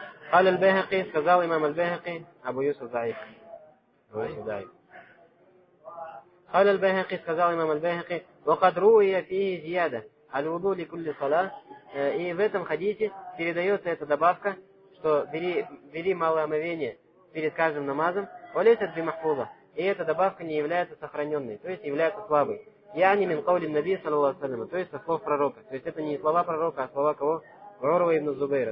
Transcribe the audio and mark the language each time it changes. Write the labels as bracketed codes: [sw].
[ru] Хал аль-Байхаки, сказал имам аль-Байхаки, Абу Юсуф Заиф. Хал аль-Байхаки, сказал имам аль-Байхаки, [ar] وَقَدْ رُوِيَ فِيهِ زِيَادَ الْوُضُو لِكُلِّ صَلَى. [ru] И в этом хадисе передается эта добавка, что бери малое омовение перед каждым намазом, [ar] وَلَيْسَتْ بِمَحْفُوظَ. [ru] И эта добавка не является сохраненной, то есть является слабой. [ar] Яни мин каулин наби саллаллаху алейхи ва саллям, [ru] то есть со слов пророка. То есть это не слова пророка, а слова кого? Урва ибн Зубейра.